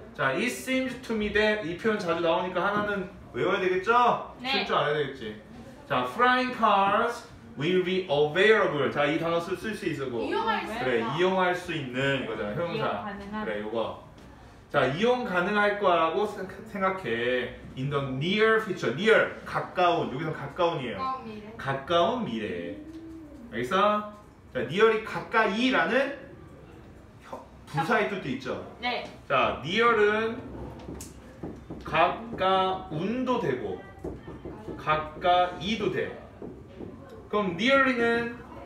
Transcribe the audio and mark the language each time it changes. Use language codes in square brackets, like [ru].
[ko] 자, [en] it seems to me that [ko] 이 표현 자주 나오니까 하나는 외워야 되겠죠? 네. 쓸 줄 알아야 되겠지. 자, [en] flying cars will be available. [ko] 자, 이 단어 쓸 수 있고. 이용할 수 그래, 있어. 이용할 수 있는 거잖아, 형용사. 이용 가능한. 그래, 요거. 자, 이용 가능할 거라고 생각해. [en] In the near future, near, [ko] 가까운, 여기서 가까운이에요. 가까운 미래. 알겠어? 자, near이 가까이라는 부사의 뜻도 있죠? 네. 자, near은 가까운도 되고, 가까이도 돼. 그럼 nearly는